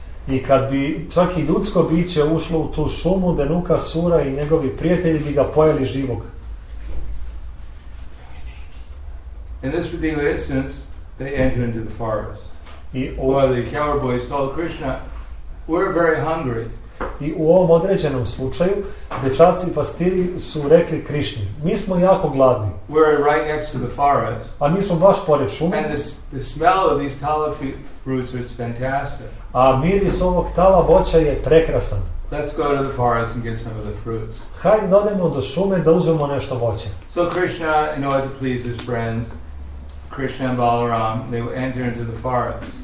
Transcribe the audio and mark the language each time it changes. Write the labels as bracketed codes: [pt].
[sr] I kad bi čak i ljudsko biće ušlo u tu šumu, Dainukasura i njegovi prijatelji bi ga pojeli živog. [en] In this particular instance, they entered into the forest. The coward boys told Krishna, "We're very hungry." [sr] I u ovom određenom slučaju, dečaci pastiri su rekli Krišni, "Mi smo jako gladni." [en] We're right next to the forest. [sr] A mi smo baš pored šume. [en] And the smell of these tala fruits is fantastic. [sr] A miris ovog tala voća je prekrasan. [en] Let's go to the forest and get some of the fruits. [sr] Hajde da odemo do šume da uzmemo nešto voće. [en] So Krishna, in order to please his friends, Krishna and Balaram, they will enter into the forest.